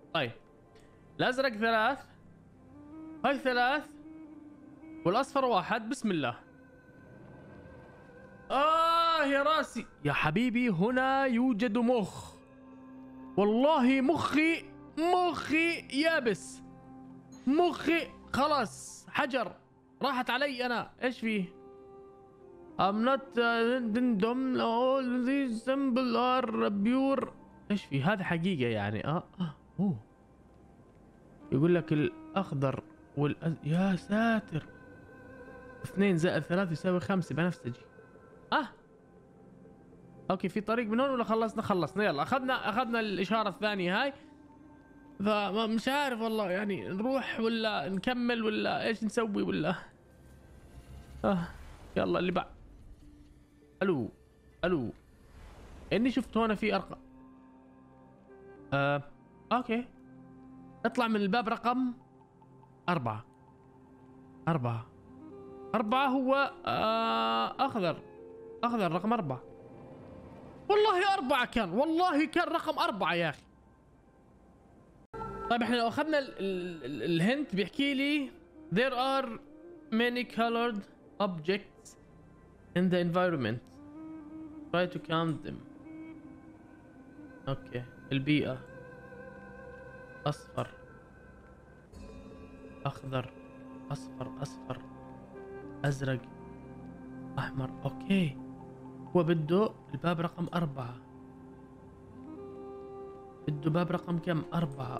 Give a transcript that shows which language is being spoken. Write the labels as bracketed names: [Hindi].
[Arabic] طيب الازرق 3 هاي 3 والاصفر 1. بسم الله. آه يا راسي يا حبيبي، هنا يوجد مخ. والله مخي يابس، مخي خلاص حجر راحت علي أنا. [English] إيش فيه؟ I'm not dumb all these symbols are pure. [Arabic] إيش فيه؟ هذا حقيقة يعني. يقول لك الأخضر يا ساتر. 2 + 3 = 5 بنفسجي. اوكي في طريق من هون ولا خلصنا؟ خلصنا يلا، اخذنا الاشاره الثانيه هاي. فمش عارف والله يعني نروح ولا نكمل ولا ايش نسوي ولا يلا اللي بعد. الو اني شفت هون في ارقام. اوكي اطلع من الباب رقم 4. 4 4 هو اخضر. اخضر رقم 4. والله 4 كان، والله كان رقم 4 يا اخي. [English] طيب احنا لو اخذنا الهنت بيحكي لي there are many colored objects in the environment. Try to count them. [Arabic] اوكي البيئة اصفر اخضر اصفر اصفر ازرق احمر. اوكي هو بده الباب رقم 4، بده باب رقم كم؟ 4.